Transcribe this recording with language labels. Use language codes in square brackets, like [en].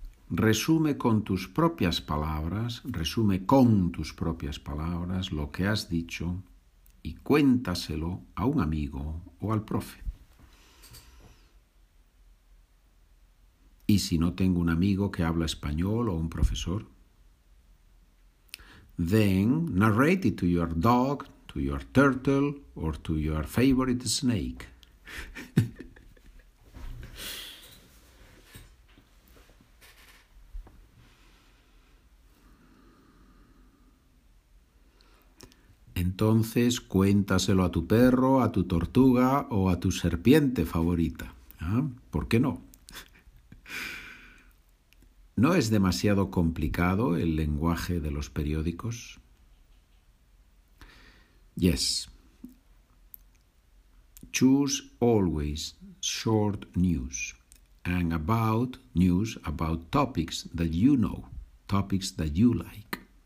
[es] Resume con tus propias palabras lo que has dicho y cuéntaselo a un amigo o al profe. ¿Y si no tengo un amigo que habla español o un profesor? [en] Then narrate it to your dog, to your turtle, or to your favorite snake. [es] Entonces, cuéntaselo a tu perro, a tu tortuga o a tu serpiente favorita. ¿Ah? ¿Por qué no? ¿No es demasiado complicado el lenguaje de los periódicos? [en] Yes. Choose always short news and about news about topics that you know, topics that you like.